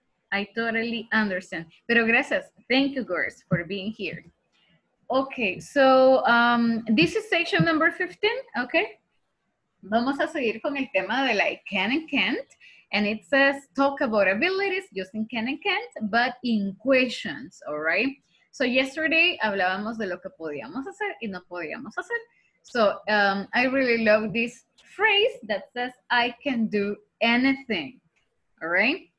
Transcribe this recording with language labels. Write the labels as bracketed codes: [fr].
[en] I totally understand. [es] Pero gracias. [en] Thank you, girls, for being here. Okay. So this is session number 15. Okay. [es] Vamos a seguir con el tema de [en] like can and can't, and it says talk about abilities using can and can't, but in questions, all right? So yesterday, [es] hablábamos de lo que podíamos hacer y no podíamos hacer. [en] So I really love this phrase that says, I can do anything, all right?